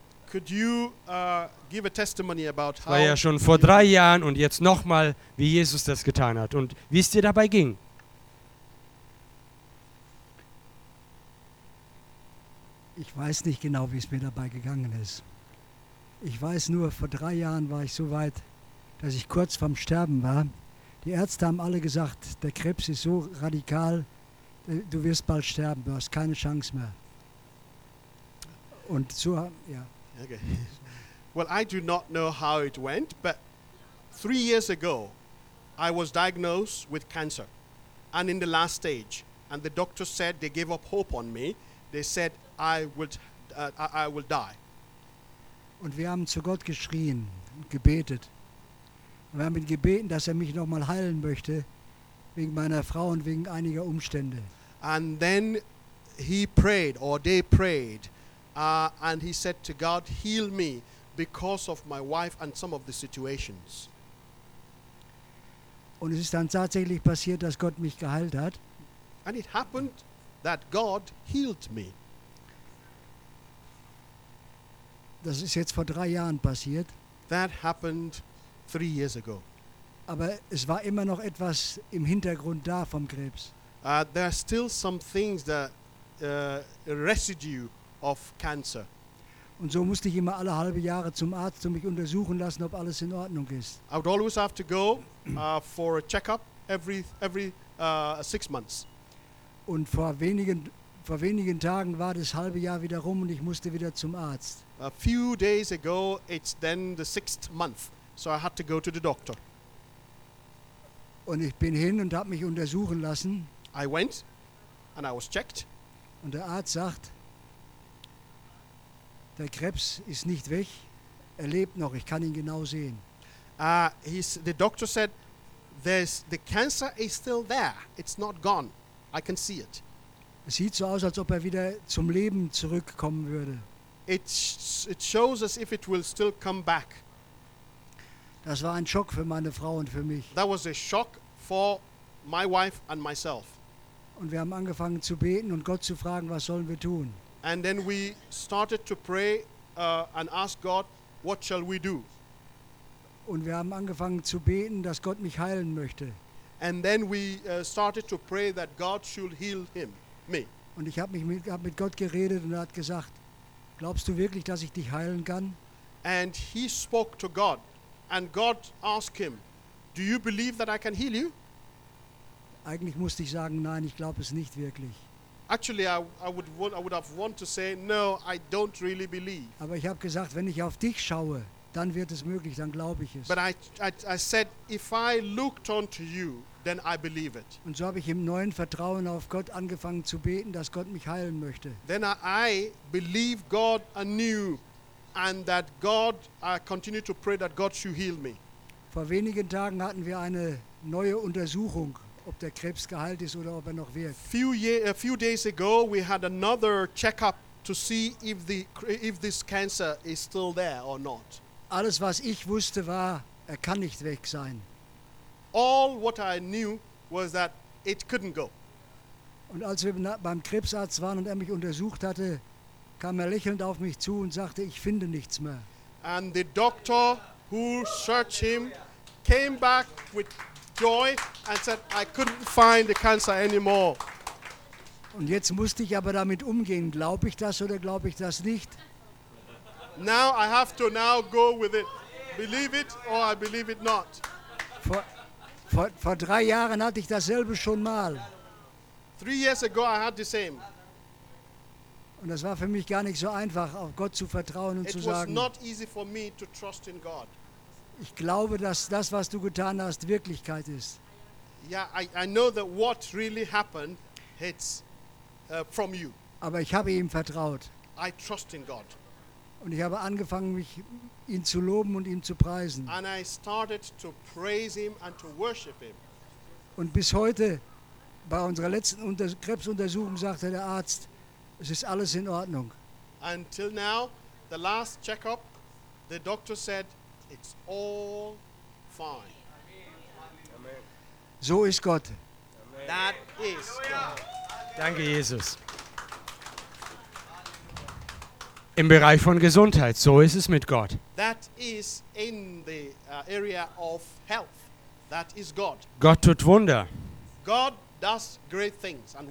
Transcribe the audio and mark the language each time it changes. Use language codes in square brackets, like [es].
[en] Could you give a testimony about how? [de] War ja schon vor 3 Jahren und jetzt nochmal, wie Jesus das getan hat und wie es dir dabei ging. Ich weiß nicht genau, wie es mir dabei gegangen ist. Ich weiß nur, vor 3 Jahren war ich so weit, dass ich kurz vorm Sterben war. Die Ärzte haben alle gesagt, der Krebs ist so radikal, du wirst bald sterben, du hast keine Chance mehr. Und so, ja. [en] Okay. Well, I do not know how it went, but 3 years ago, I was diagnosed with cancer and in the last stage. And the doctor said, they gave up hope on me. They said, I will die. [de] Und wir haben zu Gott geschrien, gebetet. Wir haben ihn gebeten, dass er mich noch mal heilen möchte, wegen meiner Frau und wegen einiger Umstände. [en] And then he prayed, or they prayed, and he said to God, heal me because of my wife and some of the situations. [de] Und es ist dann tatsächlich passiert, dass Gott mich geheilt hat. [en] And it happened that God healed me. [de] Das ist jetzt vor 3 Jahren passiert. [en] That happened 3 years ago. [de] Aber es war immer noch etwas im Hintergrund da vom Krebs. [en] There are still some things that residue of cancer. [de] Und so musste ich immer alle halbe Jahre zum Arzt, um mich untersuchen lassen, ob alles in Ordnung ist. [en] I would always have to go for a checkup every 6 months. [de] Und vor wenigen Tagen war das halbe Jahr wieder rum und ich musste wieder zum Arzt. [en] A few days ago, it's then the sixth month, so I had to go to the doctor. [de] Und ich bin hin und habe mich untersuchen lassen. [en] I went and I was checked. [de] Und der Arzt sagt, der Krebs ist nicht weg, er lebt noch, ich kann ihn genau sehen. [en] The doctor said, the cancer is still there, it's not gone, I can see it. [de] Es sieht so aus, als ob er wieder zum Leben zurückkommen würde. [en] It shows as if it will still come back. [de] Das war ein Schock für meine Frau und für mich. [en] That was a shock for my wife and myself. [de] Und wir haben angefangen zu beten und Gott zu fragen, was sollen wir tun? [en] And then we started to pray and ask God, what shall we do? [de] Und wir haben angefangen zu beten, dass Gott mich heilen möchte. [en] And then we started to pray that God should heal him, me. [de] Und ich habe mit Gott geredet und er hat gesagt, glaubst du wirklich, dass ich dich heilen kann? [en] And he spoke to God. And God asked him, do you believe that I can heal you? [de] Eigentlich musste ich sagen, nein, ich glaube es nicht wirklich. [en] Actually, I would have wanted to say, no, I don't really believe. [de] Aber ich habe gesagt, wenn ich auf dich schaue, dann wird es möglich, dann glaube ich es. [en] But I said, if I looked onto you, then I believe it. [de] Und so habe ich im neuen Vertrauen auf Gott angefangen zu beten, dass Gott mich heilen möchte. [en] Then I believe God anew. And that God, I continue to pray that God should heal me. [de] Vor wenigen Tagen hatten wir eine neue Untersuchung, ob der Krebs geheilt ist oder ob er noch wirkt. [en] A few days ago, we had another checkup to see if this cancer is still there or not. [de] Alles was ich wusste war, er kann nicht weg sein. [en] All what I knew was that it couldn't go. [de] Und als wir beim Krebsarzt waren und er mich untersucht hatte, kam er lächelnd auf mich zu und sagte, ich finde nichts mehr. [en] And the doctor who searched him came back with joy and said, I couldn't find the cancer anymore. [de] Und jetzt musste ich aber damit umgehen. Glaube ich das oder glaube ich das nicht? [en] Now I have to now go with it. Believe it or I believe it not. [de] Vor 3 Jahren hatte ich dasselbe schon mal. [en] 3 years ago I had the same. [de] Und das war für mich gar nicht so einfach, auf Gott zu vertrauen und [en] it [de] zu sagen, [en] was not easy for me to trust in God. [de] Ich glaube, dass das, was du getan hast, Wirklichkeit ist. [en] Yeah, I know that what really happened, it's from you. [de] Aber ich habe ihm vertraut. [en] I trust in God. [de] Und ich habe angefangen, mich ihn zu loben und ihm zu preisen. [en] And I started to praise him and to worship him. [de] Und bis heute, bei unserer letzten Krebsuntersuchung, sagte der Arzt, es ist alles in Ordnung. [en] Until now, the last checkup, the doctor said, it's all fine. [de] Amen. So ist Gott. [en] Amen. That is God. [de] Danke, Jesus. Im Bereich von Gesundheit, so ist es mit Gott. [en] That is in the area of health. That is God. [de] Gott tut Wunder. [en] God does great things and